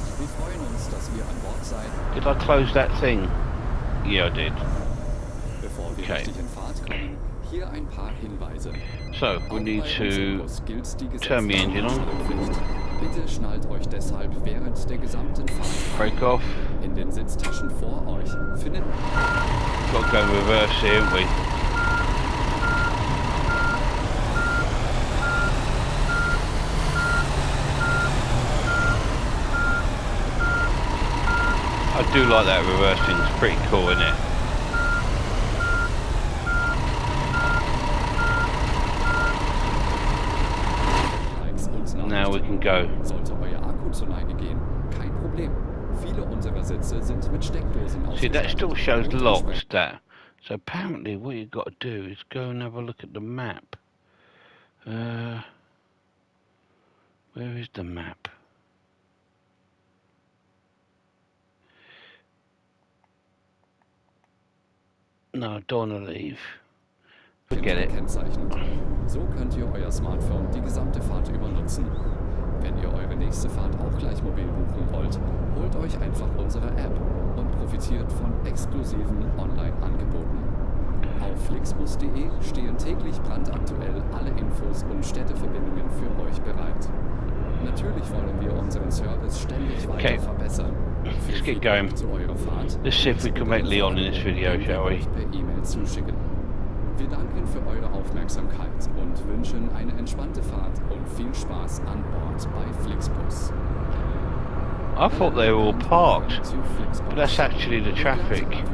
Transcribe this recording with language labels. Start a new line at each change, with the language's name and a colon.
German: Wir freuen uns, dass wir an Bord seid.
English: Did I close that thing? Yeah, I did.
German: Bevor wir richtig in Fahrt kommen, hier ein paar Hinweise.
English: So, we need to turn the engine on.
German: Bitte schnallt euch deshalb während der gesamten Fahrt.
English: Break off.
German: In den Sitztaschen vor euch finden.
English: Got to go reverse here, haven't we? I do like that reversing, it's pretty cool, isn't it? Now we can go.
German: Sollte euer Akku zu Neige gehen, kein Problem. Viele unserer Sitze sind mit Steckdosen ausgestattet.
English: See, that still shows locked, that. So apparently what you've got to do is go and have a look at the map. Where is the map? No, I don't wanna leave. Forget it.
German: Kennzeichnung. So könnt ihr euer Smartphone die gesamte Fahrt über nutzen. Wenn ihr eure nächste Fahrt auch gleich mobil buchen wollt, holt euch einfach unsere App und profitiert von exklusiven Online-Angeboten. Auf flixbus.de stehen täglich brandaktuell alle Infos und Städteverbindungen für euch bereit. Natürlich wollen wir unseren Service ständig weiter verbessern.
English: Let's get going.
German: Zu eurer Fahrt.
English: Let's see if we can make Lyon in this video, shall we?
German: Per E-Mail zuschicken. Wir danken für eure Aufmerksamkeit und wünschen eine entspannte Fahrt und viel Spaß an Bord bei Flixbus.
English: I thought they were all parked, but that's actually the traffic.